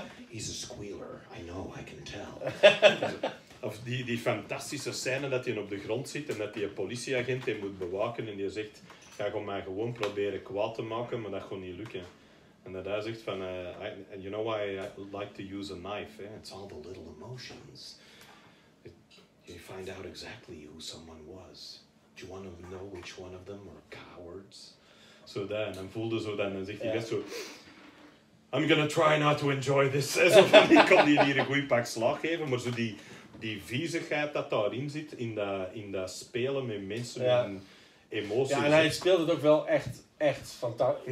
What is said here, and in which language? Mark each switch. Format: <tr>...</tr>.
<en>He's a squealer, I know, I can tell.</en> <nl>Of die fantastische scène dat hij op de grond zit en dat hij een politieagent moet bewaken en die zegt, ga gewoon mij gewoon proberen kwaad te maken, maar dat gewoon niet lukken. En dat hij zegt van,</nl> <en>you know why I like to use a knife, eh? It's all the little emotions. You find out exactly who someone was. Do you want to know which one of them were cowards?</en> <nl>Zo dat, en dan voelde zo dat, en dan zegt hij best zo,</nl> <en>I'm gonna try not to enjoy this.</en> <nl>Zo van, ik kan die hier een goeie pak slag geven, maar zo die... Die viezigheid dat daarin zit, in dat spelen met mensen, ja, met emoties. Ja, en hij speelt het ook wel echt fantastisch.</nl>